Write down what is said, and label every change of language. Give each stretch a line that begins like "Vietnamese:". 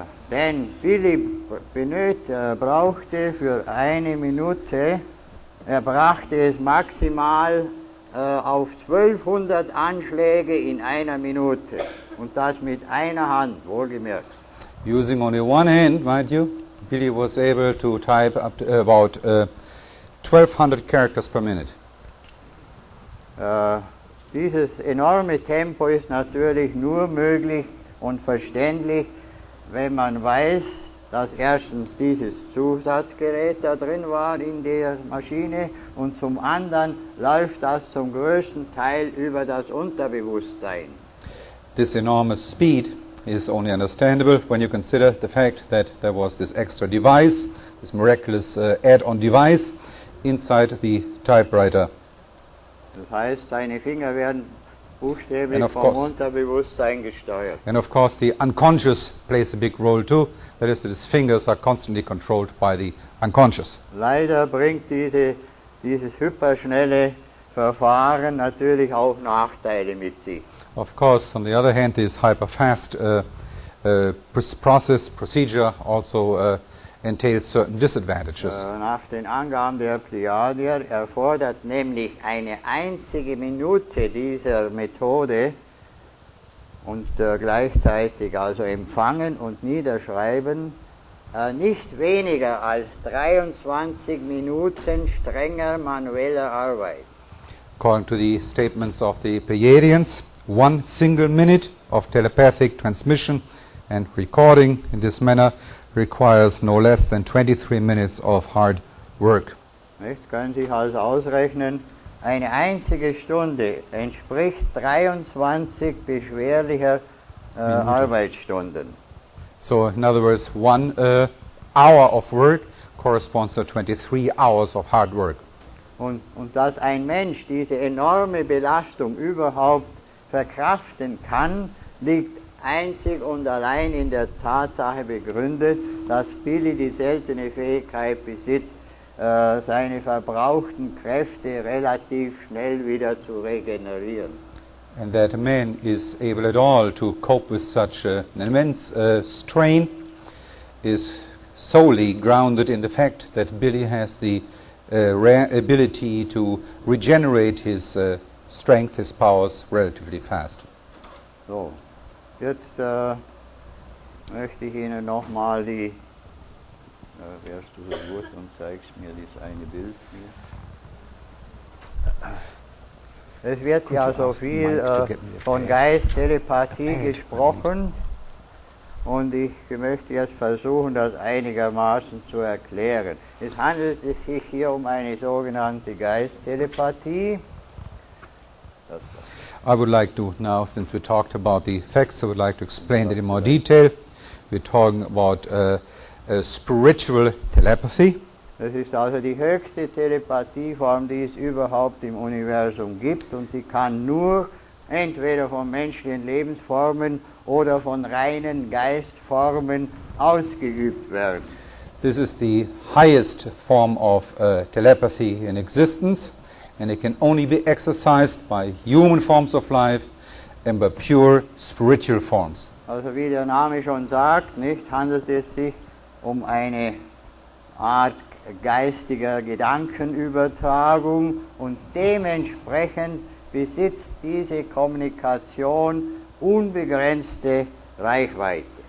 German: Denn Billy brauchte für eine Minute, er brachte es maximal auf 1200 Anschläge in einer Minute. Und das mit einer Hand, wohlgemerkt.
English: Using only one hand, mind you, Billy was able to type up to about 1200 characters per minute.
German: Dieses enorme Tempo ist natürlich nur möglich und verständlich, wenn man weiß, dass erstens dieses Zusatzgerät da drin war in der Maschine, und zum anderen läuft das zum größten Teil über das Unterbewusstsein.
English: This enormous speed is only understandable when you consider the fact that there was this extra device, this miraculous add-on device inside the typewriter.
German: Das heißt, seine Finger werden buchstäblich vom Unterbewusstsein gesteuert.
English: And of course the unconscious plays a big role too, that is that his fingers are constantly controlled by the unconscious.
German: Leider bringt dieses hyperschnelle Verfahren natürlich auch Nachteile mit sich.
English: Of course, on the other hand, this hyper-fast procedure also entails certain disadvantages.
German: Nach den Angaben der Plejadier erfordert nämlich eine einzige Minute dieser Methode und gleichzeitig also empfangen und niederschreiben nicht weniger als 23 Minuten strenger manueller Arbeit.
English: According to the statements of the Pleiadians, one single minute of telepathic transmission and recording in this manner requires no less than 23 minutes of hard work.
German: Nicht, können Sie also ausrechnen, eine einzige Stunde entspricht 23 beschwerlicher Arbeitsstunden.
English: So, in other words, one hour of work corresponds to 23 hours of hard work.
German: Und dass ein Mensch diese enorme Belastung überhaupt verkraften kann, liegt einzig und allein in der Tatsache begründet, dass Billy die seltene Fähigkeit besitzt, seine verbrauchten Kräfte relativ schnell wieder zu regenerieren.
English: And that a man is able at all to cope with such an immense strain is solely grounded in the fact that Billy has the rare ability to regenerate his strength, his powers, relatively fast.
German: So, jetzt möchte ich Ihnen nochmal die wärst du so gut und zeigst mir das eine Bild hier. Es wird ja so viel von Geist-Telepathie gesprochen und ich möchte jetzt versuchen, das einigermaßen zu erklären. Es handelt sich hier um eine sogenannte Geist-Telepathie.
English: I would like to now, since we talked about the effects, I would like to explain that in more detail. We're talking about a spiritual telepathy.
German: Es ist also die höchste Telepathieform, die es überhaupt im Universum gibt, und sie kann nur entweder von menschlichen Lebensformen oder von reinen Geistformen ausgeübt werden.
English: This is the highest form of telepathy in existence, and it can only be exercised by human forms of life and by pure spiritual forms.
German: Also wie der Name schon sagt, nicht, handelt es sich um eine Art geistiger Gedankenübertragung und dementsprechend besitzt diese Kommunikation unbegrenzte Reichweite.